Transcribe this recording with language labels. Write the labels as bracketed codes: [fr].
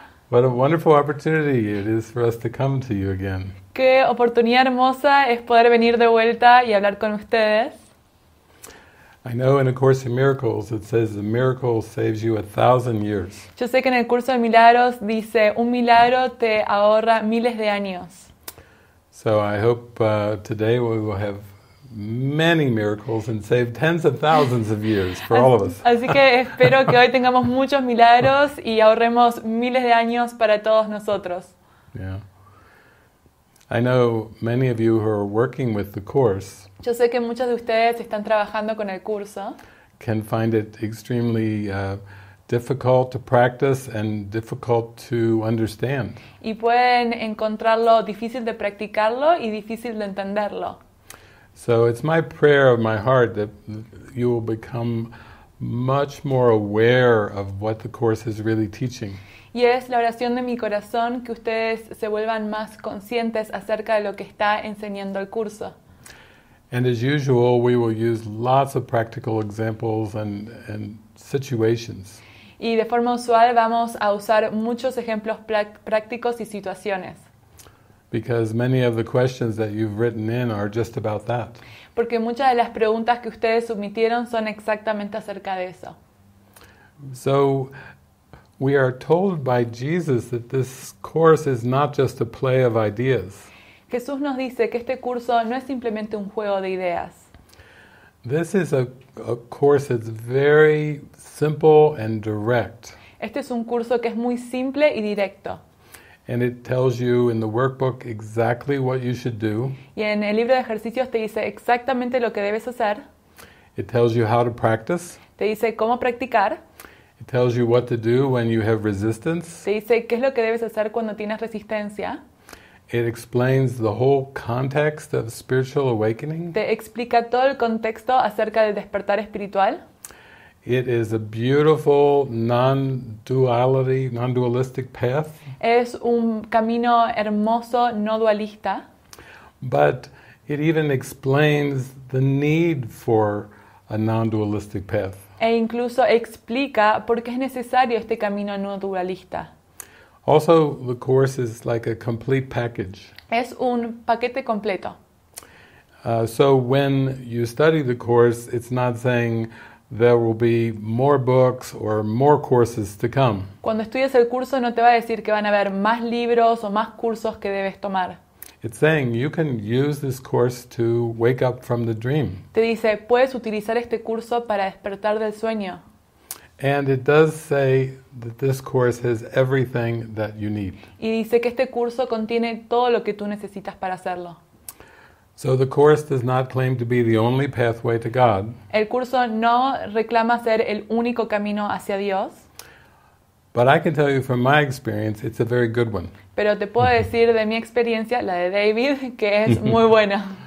[en] What a wonderful opportunity it is for us to come to you again. [es] Qué oportunidad hermosa es poder venir de vuelta y hablar con ustedes. [en] I know in A Course in Miracles it says a miracle saves you 1,000 years. [es] Yo sé que en el curso de milagros dice un milagro te ahorra miles de años. [en] So I hope today we will have many miracles and save tens of thousands of years for all of us. [es] Así que espero que hoy tengamos muchos milagros y ahorremos miles de años para todos nosotros. [en] Yeah. I know many of you who are working with the course. [es] Yo sé que muchos de ustedes están trabajando con el curso. [en] Can find it extremely difficult to practice and difficult to understand. [es] Y pueden encontrarlo difícil de practicarlo y difícil de entenderlo. [en] So it's my prayer of my heart that you will become much more aware of what the course is really teaching. [es] Y es la oración de mi corazón que ustedes se vuelvan más conscientes acerca de lo que está enseñando el curso. [en] And as usual, we will use lots of practical examples and situations. [es] Y de forma usual vamos a usar muchos ejemplos prácticos y situaciones. [en] Because many of the questions that you've written in are just about that. [es] Porque muchas de las preguntas que ustedes submitieron son exactamente acerca de eso. [en] So, we are told by Jesus that this course is not just a play of ideas. [es] Jesús nos dice que este curso no es simplemente un juego de ideas. [en] This is a course that's very simple and direct. [es] Este es un curso que es muy simple y directo. [en] And it tells you in the workbook exactly what you should do. [es] Y en el libro de ejercicios te dice exactamente lo que debes hacer. [en] It tells you how to practice. [es] Te dice cómo practicar. [en] It tells you what to do when you have resistance. [es] Te dice qué es lo que debes hacer cuando tienes resistencia. [en] It explains the whole context of spiritual awakening. [es] Te explica todo el contexto acerca del despertar espiritual. [en] It is a beautiful non-duality, non-dualistic path. [es] Es un camino hermoso, no dualista. [en] But it even explains the need for a non-dualistic path. [es] E incluso explica por qué es necesario este camino no dualista. [en] Also, the course is like a complete package. [es] Es un paquete completo. [en] So when you study the course, it's not saying there will be more books or more courses to come. [es] Cuando estudias el curso no te va a decir que van a haber más libros o más cursos que debes tomar. [en] It's saying you can use this course to wake up from the dream. [es] Te dice, puedes utilizar este curso para despertar del sueño. [en] And it does say that this course has everything that you need. [es] Y dice que este curso contiene todo lo que tú necesitas para hacerlo. [en] So the course does not claim to be the only pathway to God. [es] El curso no reclama ser el único camino hacia Dios. [en] But I can tell you from my experience, it's a very good one. [es] Pero te puedo decir de mi experiencia, la de David, que es muy buena.